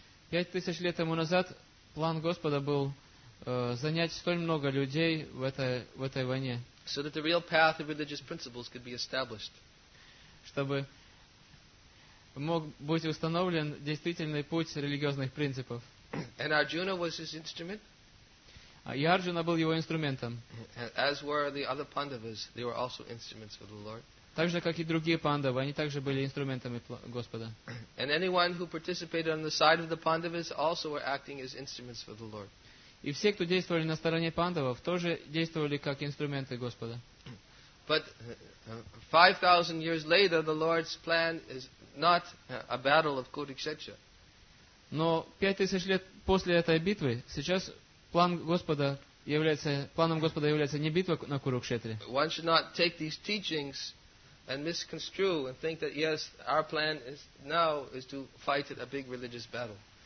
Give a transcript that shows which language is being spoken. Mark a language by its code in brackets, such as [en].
[ru] 5,000 лет тому назад план Господа был занять столь много людей в этой войне. [en] So that the real path of religious principles could be established. [ru] Чтобы мог быть установлен действительный путь религиозных принципов. [en] And Arjuna was his instrument. [ru] И Арджуна был его инструментом. [en] As were the other Pandavas, they were also instruments for the Lord. [ru] Так же, как и другие Пандавы, они также были инструментами Господа. [en] And anyone who participated on the side of the Pandavas also were acting as instruments for the Lord. [ru] И все, кто действовали на стороне пандавов, тоже действовали как инструменты Господа. [en] But 5,000 years later, the Lord's plan is not a battle of Kurukshetra. [ru] Но 5,000 лет после этой битвы, сейчас планом Господа является не битва на Курукшетре. [en] One should not take these teachings and misconstrue and think that yes, our plan is now is to fight a big religious battle.